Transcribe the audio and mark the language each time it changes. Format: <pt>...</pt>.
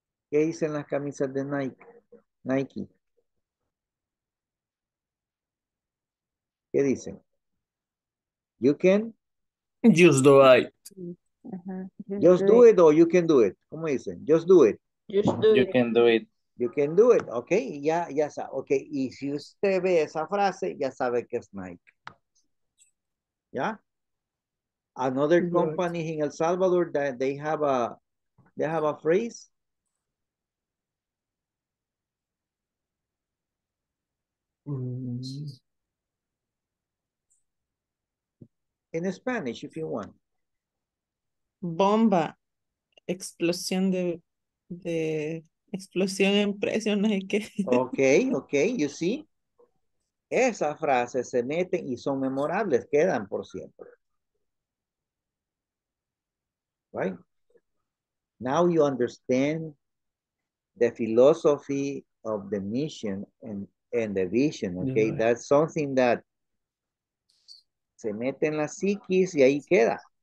<es>¿Qué dicen las camisas de Nike? ¿Qué dicen?</es> <en>You can? Just do it. Just do it or you can do it.</en> <es>¿Cómo dicen?</es> <en>Just do it. Just do you it. Can do it. You can do it, okay?</en> <es>Ya, ya sabe. Okay, y si usted ve esa frase, ya sabe que es Nike.</es> <en>Yeah? Another company in El Salvador that they have a phrase. In Spanish, if you want.</en> <es>Bomba. Explosión en precio, no sé qué.</es> <en>Okay, you see?</en> <es>Esas frases se meten y son memorables, quedan por siempre.</es> <en>Right? Now you understand the philosophy of the mission and the vision, okay? Yeah. That's something that</en> <es>se mete en la psiquis y ahí queda.</es>